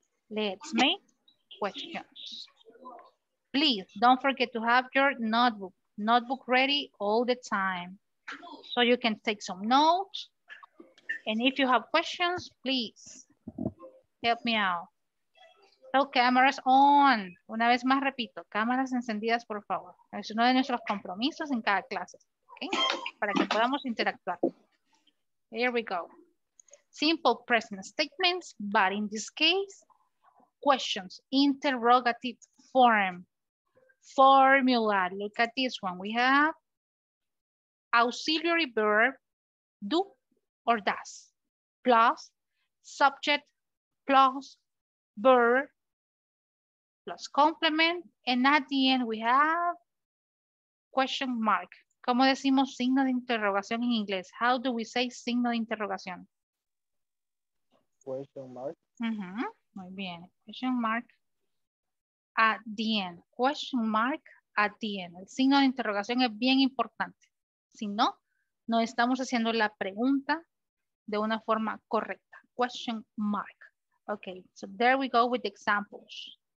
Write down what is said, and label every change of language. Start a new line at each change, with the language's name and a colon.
English: Let's make questions. Please don't forget to have your notebook. Notebook ready all the time. So you can take some notes. And if you have questions, please help me out. So cameras on.
Spanish: Una vez más repito, cámaras encendidas, por favor. Es uno de nuestros compromisos en cada clase. Okay? Para que podamos interactuar.
English: Here we go. Simple present statements, but in this case, questions, interrogative form. Formula. Look at this one. We have auxiliary verb, do or does, plus subject, plus verb, plus complement, and at the end we have question mark.
Spanish: ¿Cómo decimos signo de interrogación en inglés?
English: How do we say
Spanish: signo de interrogación?
English: Question mark. Mm-hmm.
Spanish: Muy bien.
English: Question mark at the end. Question mark at the end.
Spanish: El signo de interrogación es bien importante. Si no, no estamos haciendo la pregunta de una forma correcta.
English: Question mark. Okay, so there we go with the examples.